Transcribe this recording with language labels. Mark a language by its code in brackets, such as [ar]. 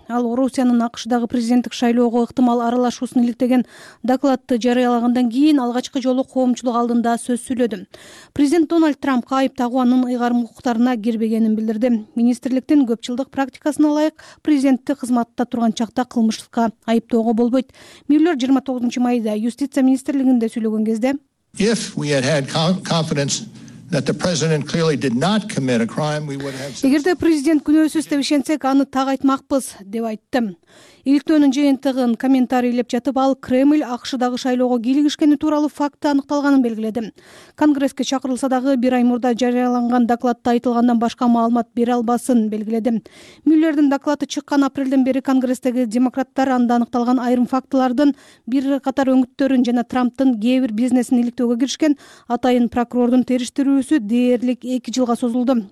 [ky] Ал Орусиянын АКШдагы президенттик шайлоого ыктымал аралашуусун иликтеген докладты жарыялагандан кийин алгачкы жолу коомчулук алдында сөз сүйлөдү. Президент Дональд Трампка айып тагуу анын ыйгарым укуктарына кирбегенин билдирди. Министрликтин көп жылдык практикасына ылайык президентти кызматта турган чакта кылмыштыкка айыптоого болбойт. Мюллер 29 майда юстиция министрлигинде сүйлөгөн кезде [en] If we had had confidence that the president clearly did not commit a crime we would have [ky] Эгерде президент күнөөсүз деп ишенсек аны так айтмакпыз деп айттым. Иликтөөнүн жыйынтыгын комментарийлеп жатып ал Кремль АКШдагы шайлоого кийлигишкени тууралуу факты аныкталганын белгиледи. Конгресске чакырылса дагы бир ай мурда жарыяланган докладта айтылгандан башка маалымат бере албасын белгиледи. Мюллердин доклады чыккан апрелден бери Конгресстеги демократтар анда аныкталган айрым фактылардын бир катар өңүттөрүн жана Трамптын кээ бир бизнесин иликтөөгө киришкен атайын прокурордун териштирүүсү дээрлик 2 жылга созулду.